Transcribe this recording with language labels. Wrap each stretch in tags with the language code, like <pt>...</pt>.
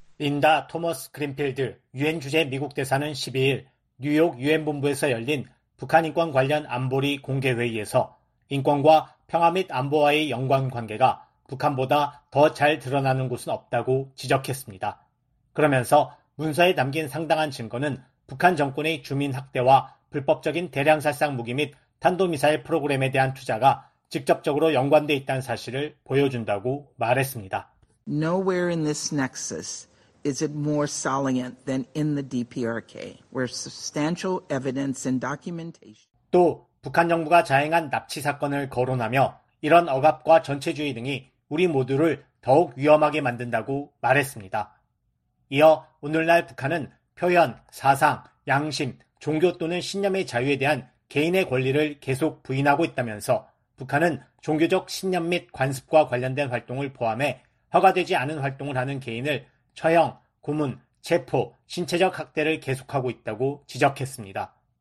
<ko>린다 토머스 그린필드 유엔 주재 미국 대사는 12일 뉴욕 유엔 본부에서 열린 북한 인권 관련 안보리 공개회의에서 인권과 평화 및 안보와의 연관 관계가 북한보다 더 잘 드러나는 곳은 없다고 지적했습니다. 그러면서 문서에 담긴 상당한 증거는 북한 정권의 주민 학대와 불법적인 대량살상 무기 및 탄도미사일 프로그램에 대한 투자가 직접적으로 연관돼 있다는 사실을 보여준다고 말했습니다.</ko> <en>Nowhere in this nexus is it more salient than in the DPRK, where substantial evidence and documentation.</en> <ko>또 북한 정부가 자행한 납치 사건을 거론하며 이런 억압과 전체주의 등이 우리 모두를 더욱 위험하게 만든다고 말했습니다. 이어 오늘날 북한은 표현, 사상, 양심, 종교 또는 신념의 자유에 대한 개인의 권리를 계속 부인하고 있다면서 북한은 종교적 신념 및 관습과 관련된 활동을 포함해 허가되지 않은 활동을 하는 개인을 처형, 고문, 체포, 신체적 학대를 계속하고 있다고 지적했습니다.</ko>